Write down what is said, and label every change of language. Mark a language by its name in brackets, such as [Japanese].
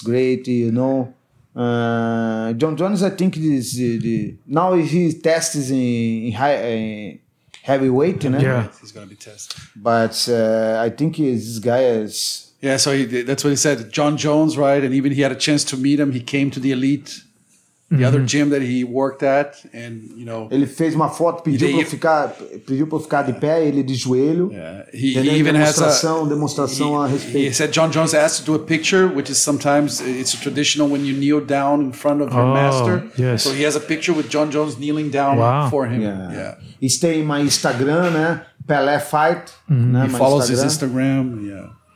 [English] Great, you know. John Jones, I think, is now he tests in high heavyweight. Yeah, [Portuguese] né? [English] He's going to be tested. But I think this guy is... Yeah, so that's what he said. John Jones, right? And even he had a chance to meet him. He came to the Elite the other gym that he worked at, and you know, [Portuguese] ele fez uma foto, pediu para ficar de pé, ele de joelho. [English] Yeah. He even has a [Portuguese] demonstração a respeito. [English] He said John Jones asked to do a picture, which is sometimes it's a traditional when you kneel down in front of your master. Yes. So he has a picture with John Jones kneeling down for him. [Portuguese] Yeah. Isso tem em Instagram, né? Pelé Fight. Né? [English] He follows his Instagram. Yeah.